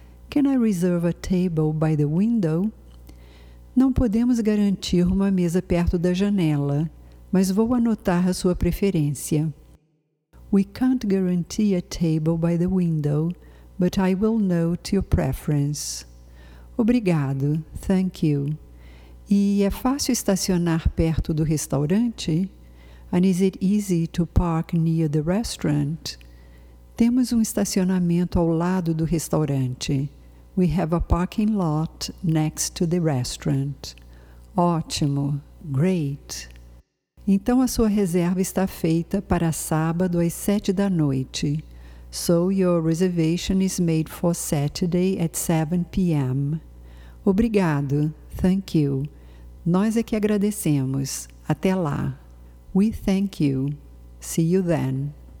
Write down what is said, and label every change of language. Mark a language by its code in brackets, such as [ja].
[en] Can I reserve a table by the window? [pt] Não podemos garantir uma mesa perto da janela, mas vou anotar a sua preferência. [en] We can't guarantee a table by the window, but I will note your preference. [pt] Obrigado. [en] Thank you. [pt] E é fácil estacionar perto do restaurante? [en] And is it easy to park near the restaurant? [pt] Temos um estacionamento ao lado do restaurante. [en] We have a parking lot next to the restaurant. [pt] Ótimo. [en] Great. [pt] Então a sua reserva está feita para sábado às 19h. [en] So your reservation is made for Saturday at 7 p.m. [pt] Obrigado. [en] Thank you. [pt] Nós é que agradecemos. Até lá. [en] We thank you. See you then.